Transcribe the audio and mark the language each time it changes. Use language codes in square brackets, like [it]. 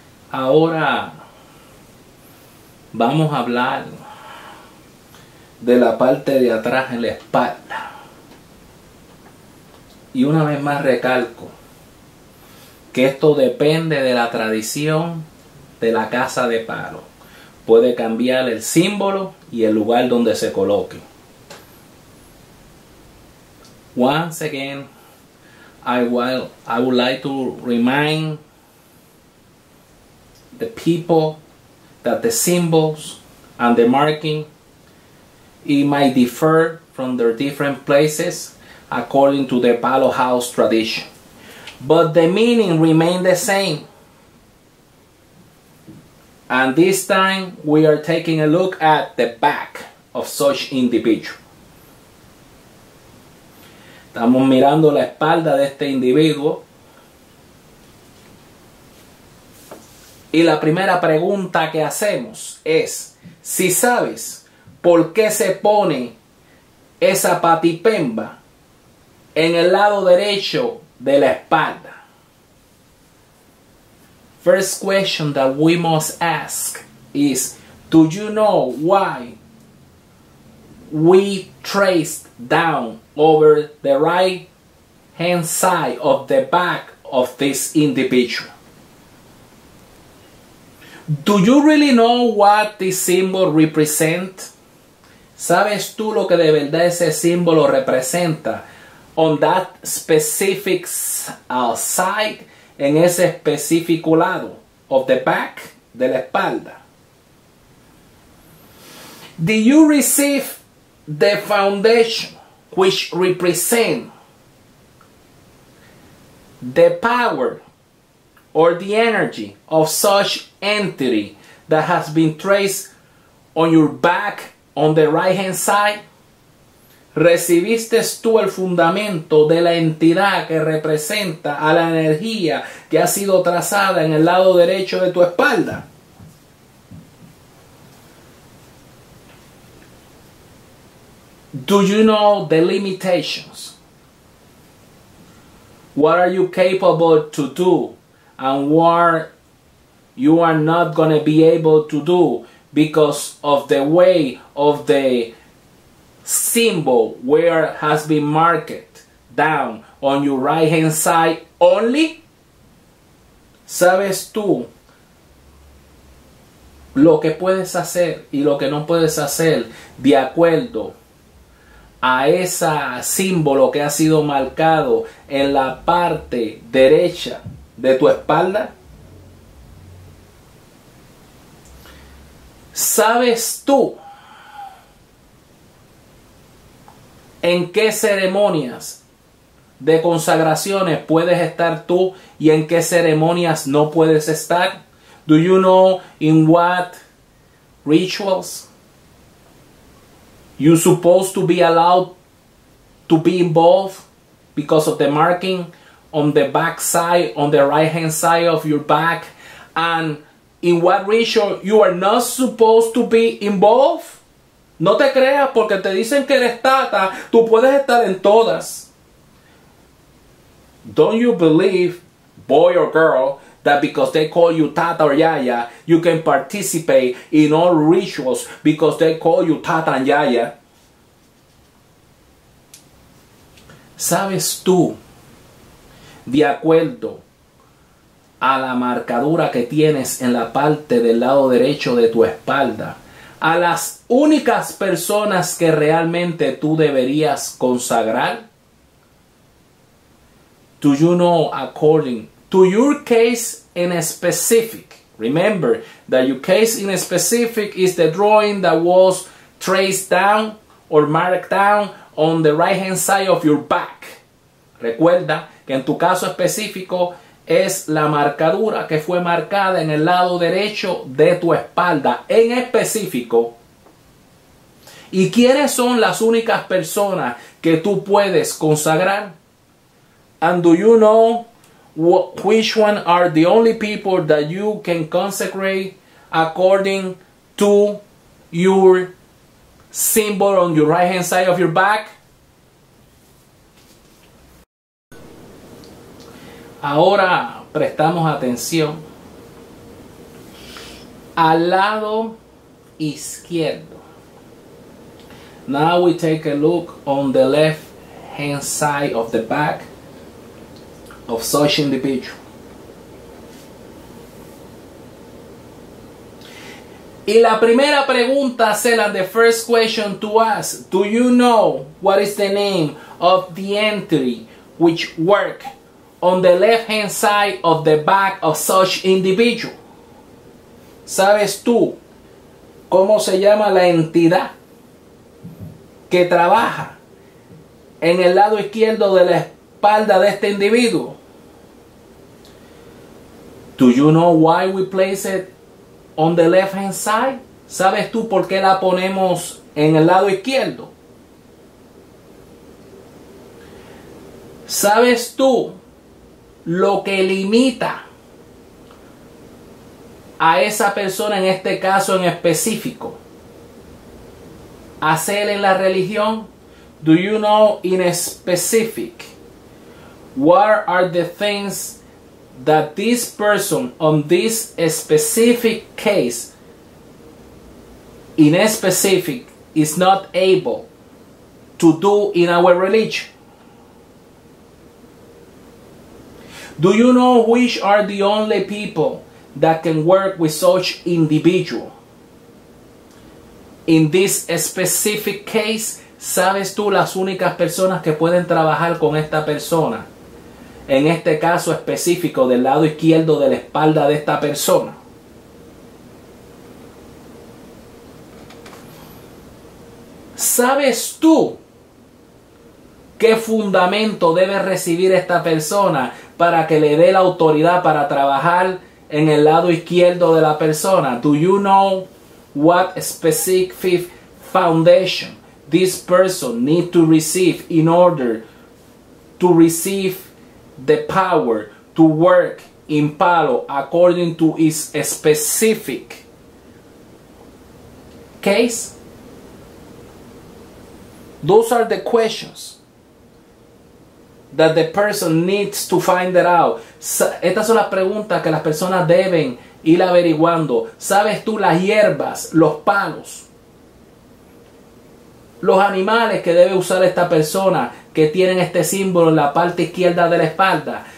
[es] Ahora vamos a hablar de la parte de atrás en la espalda. Y una vez más recalco que esto depende de la tradición de la casa de palo. Puede cambiar el símbolo y el lugar donde se coloque. [en] Once again, I would like to remind the people that the symbols and the marking, it might differ from their different places according to the Palo House tradition, but the meaning remain the same. And this time we are taking a look at the back of such individual. [es] Estamos mirando la espalda de este individuo. Y la primera pregunta que hacemos es, si sabes por qué se pone esa patipemba en el lado derecho de la espalda. [en] First question that we must ask is, do you know why we traced down over the right hand side of the back of this individual? Do you really know what this symbol represent? [es] ¿Sabes tú lo que de verdad ese símbolo representa? [en] On that specific side, [es] en ese específico lado, [en] of the back, [es] de la espalda. [en] Do you receive the foundation which represent the power or the energy of such entity that has been traced on your back on the right hand side? [es] ¿Recibiste tú el fundamento de la entidad que representa a la energía que ha sido trazada en el lado derecho de tu espalda? [en] Do you know the limitations? What are you capable to do and what you are not going to be able to do because of the way of the symbol where has been marked down on your right hand side only? [es] ¿Sabes tú lo que puedes hacer y lo que no puedes hacer de acuerdo a ese símbolo que ha sido marcado en la parte derecha de tu espalda? ¿Sabes tú en qué ceremonias de consagraciones puedes estar tú y en qué ceremonias no puedes estar? [en] Do you know in what rituals you're supposed to be allowed to be involved because of the marking on the back side, on the right hand side of your back, and in what ritual you are not supposed to be involved? [es] No te creas porque te dicen que eres tata, tú puedes estar en todas. [en] Don't you believe, boy or girl, that because they call you tata or yaya, you can participate in all rituals because they call you tata and yaya? [es] ¿Sabes tú, de acuerdo a la marcadura que tienes en la parte del lado derecho de tu espalda, a las únicas personas que realmente tú deberías consagrar? [en] Do you know according to your case in specific? Remember that your case in specific is the drawing that was traced down or marked down on the right hand side of your back. [es] Recuerda que en tu caso específico es la marcadura que fue marcada en el lado derecho de tu espalda, en específico. ¿Y quiénes son las únicas personas que tú puedes consagrar? [en] And do you know which one are the only people that you can consecrate according to your symbol on your right hand side of your back? [es] Ahora prestamos atención al lado izquierdo. [en] Now we take a look on the left hand side of the back of such individual. [es] Y la primera pregunta, [en] Cela, the first question to ask, do you know what is the name of the entity which work on the left-hand side of the back of such individual? [es] ¿Sabes tú cómo se llama la entidad que trabaja en el lado izquierdo de la espalda de este individuo? [en] Do you know why we place it on the left hand side? [es] ¿Sabes tú por qué la ponemos en el lado izquierdo? ¿Sabes tú lo que limita a esa persona, en este caso en específico, a ser en la religión? [en] Do you know in specific what are the things that this person on this specific case in a specific is not able to do in our religion? Do you know which are the only people that can work with such individual in this specific case? [es] ¿Sabes tú las únicas personas que pueden trabajar con esta persona en este caso específico del lado izquierdo de la espalda de esta persona? ¿Sabes tú qué fundamento debe recibir esta persona para que le dé la autoridad para trabajar en el lado izquierdo de la persona? [en] Do you know what specific foundation this person need to receive in order to receive the power to work in Palo according to its specific case? Those are the questions that the person needs to find it out. [es] Estas son las preguntas que las personas deben ir averiguando. ¿Sabes tú las hierbas, los palos, los animales que debe usar esta persona que tienen este símbolo en la parte izquierda de la espalda?